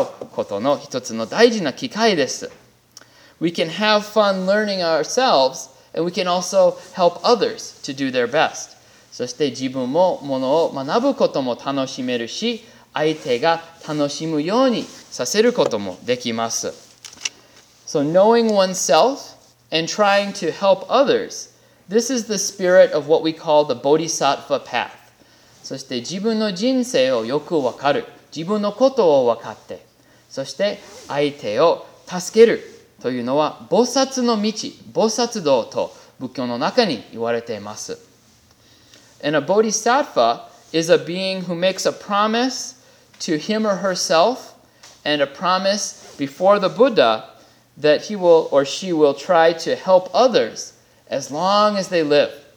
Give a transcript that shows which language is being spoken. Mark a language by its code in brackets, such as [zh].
[ja] そして競争というのは遊びながら自分の相手を物を教えて相手に物を教えてもらうことの一つの大事な機会です。 [en] We can have fun learning ourselves and we can also help others to do their best. [ja] そして自分も物を学ぶことも楽しめるし、相手が楽しむようにさせることもできます。 [en] So knowing oneself and trying to help others, this is the spirit of what we call the Bodhisattva path. [ja] そして自分の人生をよく分かる、自分のことを分かって、そして相手を助けるというのは菩薩の道、菩薩道と仏教の中に言われています。 [en] And a bodhisattva is a being who makes a promise to him or herself and a promise before the Buddha that he will or she will try to help others as long as they live.